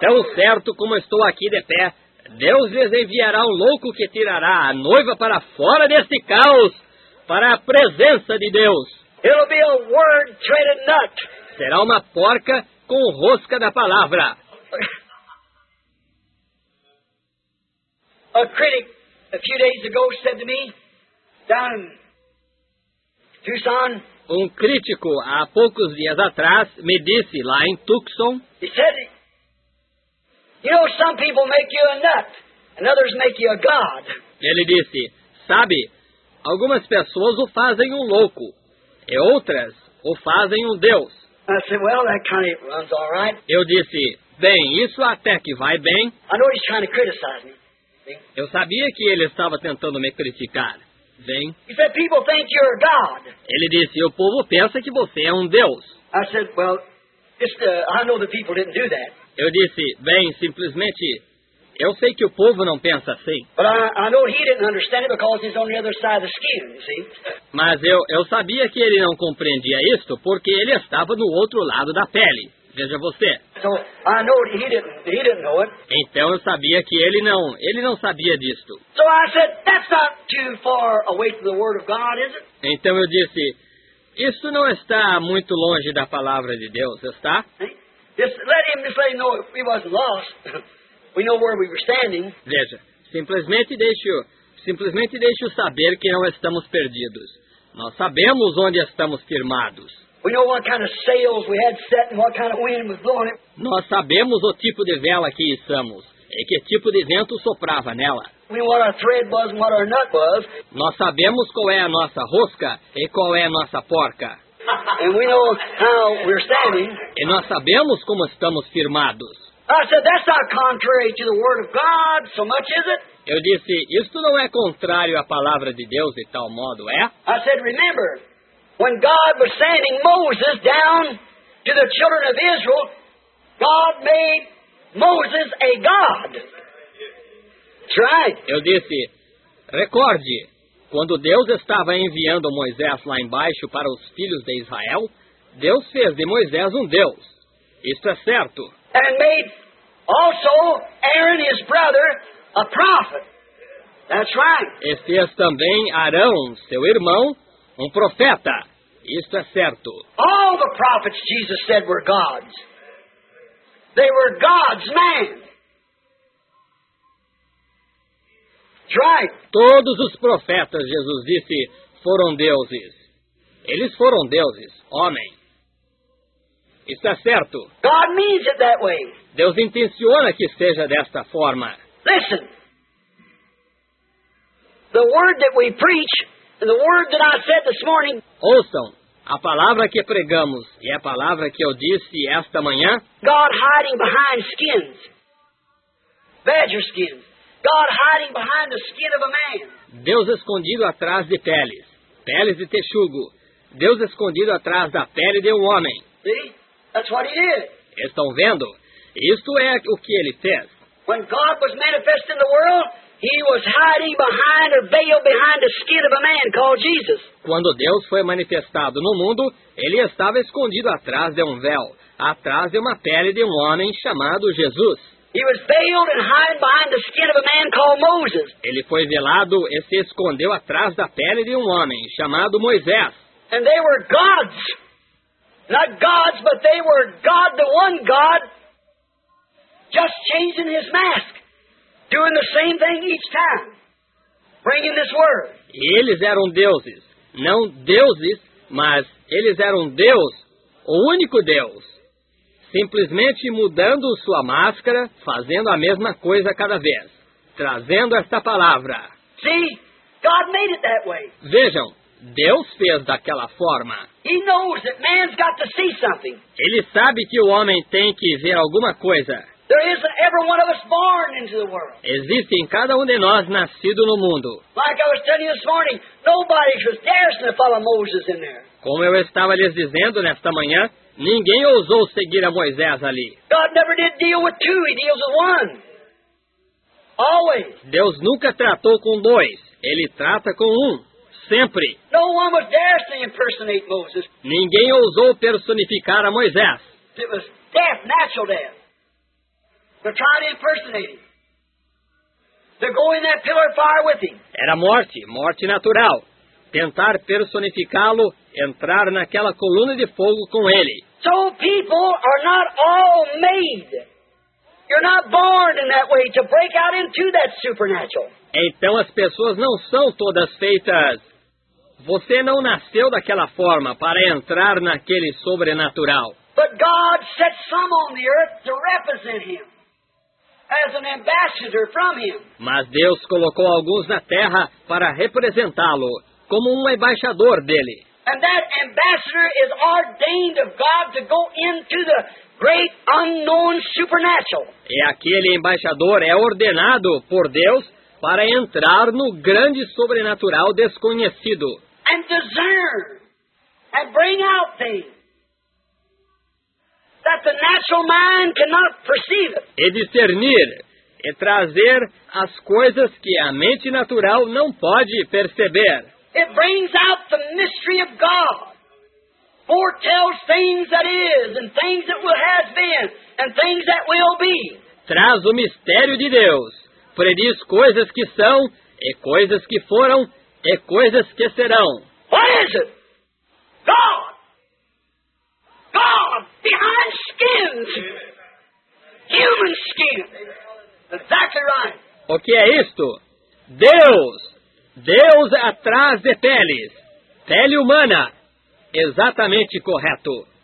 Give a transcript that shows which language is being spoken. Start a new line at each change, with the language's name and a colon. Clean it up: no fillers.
Portuguese: Tão certo como estou aqui de pé, Deus lhes enviará um louco que tirará a noiva para fora deste caos, para a presença de Deus.
English: It'll be a word-threaded nut.
Portuguese: Será uma porca com rosca da palavra.
English: A critic a few days ago said to me, down in Tucson.
Portuguese: Um crítico há poucos dias atrás me disse lá em Tucson.
English: He said, you know, some people make you a nut, and others make you a god.
Portuguese: Ele disse, sabe, algumas pessoas o fazem um louco. E outras o fazem um Deus.
English: I said, well, that kind of runs all right.
Portuguese: Eu disse, bem, isso até que vai bem.
English: I know he's trying to criticize me.
Portuguese: Eu sabia que ele estava tentando me criticar. Bem.
English: He said, people think you're a God.
Portuguese: Ele disse, o povo pensa que você é um Deus.
English: I said, well, I know the people didn't do that.
Portuguese: Eu disse, bem, simplesmente, eu sei que o povo não pensa assim.
English: But I know he didn't understand it because he's on the other side of the skin, you see?
Portuguese: Mas eu sabia que ele não compreendia isto porque ele estava no outro lado da pele. Veja você.
English: So I know he didn't know it.
Portuguese: Então eu sabia que ele não sabia disto.
English: So I said, that's not too far away from the word of God, is it?
Portuguese: Então eu disse, isso não está muito longe da palavra de Deus, está?
English: Just let him know he wasn't lost. We know where we were standing.
Portuguese: Veja, simplesmente deixe-o saber que não estamos perdidos. Nós sabemos onde estamos firmados.
English: We know what kind of sails we had set and what kind of wind was blowing it.
Portuguese: Nós sabemos o tipo de vela que içamos e que tipo de vento soprava nela.
English: We know what our thread was and what our nut was.
Portuguese: Nós sabemos qual é a nossa rosca e qual é a nossa porca.
English: And we know how we're standing.
Portuguese: E nós sabemos como estamos firmados.
English: I said, that's not contrary to the word of God, so much is it?
Portuguese: Eu disse, isto não é contrário à palavra de Deus de tal modo, é?
English: I said, remember, when God was sending Moses down to the children of Israel, God made Moses a god. That's right.
Portuguese: Eu disse, recorde, quando Deus estava enviando Moisés lá embaixo para os filhos de Israel, Deus fez de Moisés um Deus. Isto é certo.
English: And made also Aaron his brother a prophet. That's right.
Portuguese: E fez também Arão, seu irmão, um profeta. Isto é certo.
English: All the prophets Jesus said were gods. They were God's man. That's right.
Portuguese: Todos os profetas, Jesus disse, foram deuses. Eles foram deuses, homens. Isso é certo.
English: God means it that way.
Portuguese: Deus intenciona que seja desta forma.
English: Listen. The word that we preach, and the word that I said this morning.
Portuguese: Ouçam, a palavra que pregamos e a palavra que eu disse esta manhã.
English: God hiding behind skins. Badger skins. God hiding behind the skin of a man.
Portuguese: Deus escondido atrás de peles. Peles de texugo. Deus escondido atrás da pele de um homem.
English: See? That's what he did.
Portuguese: Estão vendo? Isto é o que ele fez.
English: When God was manifest in the world, he was hiding behind a veil behind the skin of a man called Jesus.
Portuguese: Quando Deus foi manifestado no mundo, ele estava escondido atrás de um véu, atrás de uma pele de um homem chamado Jesus.
English: He was veiled and hiding behind the skin of a man called Moses.
Portuguese: Ele foi velado e se escondeu atrás da pele de um homem chamado Moisés.
English: And they were gods. Not gods, but they were God, the one God, just changing his mask. Doing the same thing each time, bringing this word.
Portuguese: Eles eram deuses, não deuses, mas eles eram Deus, o único Deus, simplesmente mudando sua máscara, fazendo a mesma coisa cada vez, trazendo esta palavra.
English: See, God made it that way.
Portuguese: Vejam, Deus fez daquela forma.
English: He knows that man's got to see something.
Portuguese: Ele sabe que o homem tem que ver alguma coisa.
English: There isn't every one of us born into the world.
Portuguese: Existe em cada de nós nascido no mundo.
English: Like I was telling you this morning, nobody was daring to follow Moses in there.
Portuguese: Como eu estava lhes dizendo nesta manhã, ninguém ousou seguir a Moisés ali.
English: God never did deal with two, he deals with one. Always.
Portuguese: Deus nunca tratou com dois, ele trata com um, sempre.
English: No one was daring to impersonate Moses.
Portuguese: Ninguém ousou personificar a Moisés.
English: It was death, natural death. They're trying to impersonate him. They're going that pillar of fire with him.
Portuguese: Era morte, morte natural. Tentar personificá-lo, entrar naquela coluna de fogo com ele.
English: So people are not all made. You're not born in that way to break out into that supernatural.
Portuguese: Então as pessoas não são todas feitas. Você não nasceu daquela forma para entrar naquele sobrenatural.
English: But God set some on the earth to represent him. As an ambassador from him.
Portuguese: Mas Deus colocou alguns na terra para representá-lo, como embaixador dele.
English: And that ambassador is ordained of God to go into the great unknown supernatural.
Portuguese: E aquele embaixador é ordenado por Deus para entrar no grande sobrenatural desconhecido.
English: And discern and bring out things that the natural mind cannot perceive.
Portuguese: E discernir, e trazer as coisas que a mente natural não pode perceber.
English: It brings out the mystery of God. Foretells things that is, and things that has been, and things that will be.
Portuguese: Traz o mistério de Deus. Prediz coisas que são, e coisas que foram, e coisas que serão.
English: What is it? God! God behind skins, human skin. Exactly right.
Portuguese: O que é isto? Deus, Deus atrás de peles, pele humana. Exatamente correto.